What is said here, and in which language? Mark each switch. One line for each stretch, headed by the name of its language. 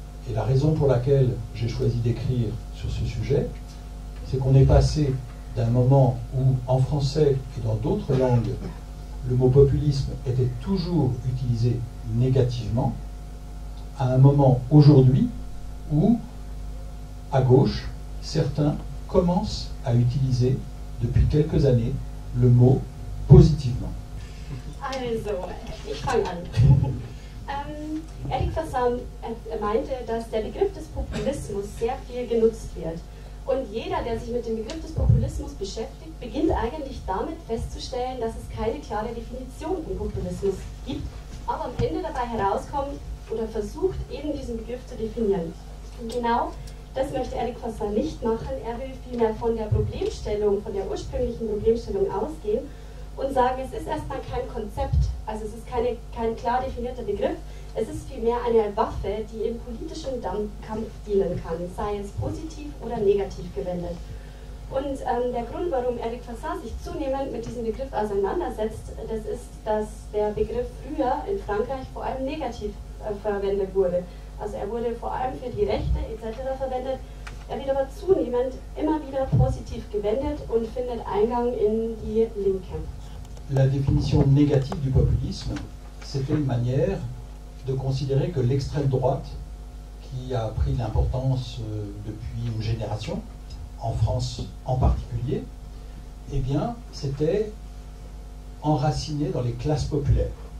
French: Et la raison pour laquelle j'ai choisi d'écrire sur ce sujet, c'est qu'on est passé d'un moment où, en français et dans d'autres langues, le mot populisme était toujours utilisé négativement, à un moment aujourd'hui où, à gauche, certains commencent à utiliser depuis quelques années le mot positivement.
German: Also, ich fange an. Eric Fassin meinte, dass der Begriff des Populismus sehr viel genutzt wird. Und jeder, der sich mit dem Begriff des Populismus beschäftigt, beginnt eigentlich damit festzustellen, dass es keine klare Definition von Populismus gibt, aber am Ende dabei herauskommt oder versucht, eben diesen Begriff zu definieren. Und genau das möchte Eric Fassin nicht machen. Er will vielmehr von der Problemstellung, von der ursprünglichen Problemstellung ausgehen und sagen, es ist erstmal kein Konzept, also es ist kein klar definierter Begriff, es ist vielmehr eine Waffe, die im politischen Kampf dienen kann, sei es positiv oder negativ gewendet. Und der Grund, warum Eric Fassin sich zunehmend mit diesem Begriff auseinandersetzt, das ist, dass der Begriff früher in Frankreich vor allem negativ verwendet wurde. Also er wurde vor allem für die Rechte etc. verwendet. Er wird aber zunehmend immer wieder positiv gewendet und findet Eingang in die Linke.
French: La définition négative du populisme, c'était une manière de considérer que l'extrême droite, qui a pris l'importance depuis une génération, en France en particulier, eh bien, c'était enraciné dans les classes populaires.